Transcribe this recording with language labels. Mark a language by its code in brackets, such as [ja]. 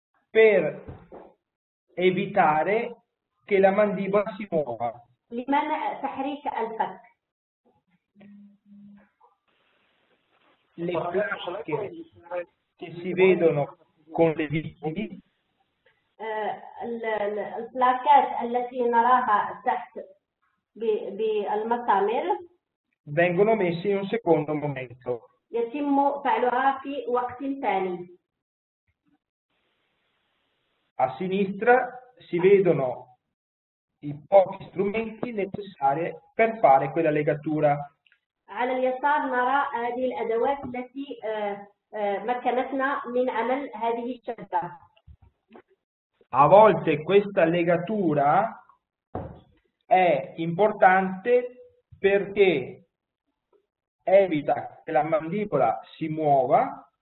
[it] per evitare che la mandibola si muova. [ar] لمنع تحريك الفك. [it] Le placche che si vedono con le vitrini. [ar] البلاكات التي نراها تحت بالمسامير. [it] Vengono messe in un secondo momento. [ar] يتم فعلها في وقت ثاني. [it] A sinistra si vedono i pochi strumenti necessari per fare quella legatura. [ar] على اليسار نرى هذه الأدوات التي مكنتنا من عمل هذه الشدة. [it] A volte questa legatura è importante perché evita che la mandibola si muova.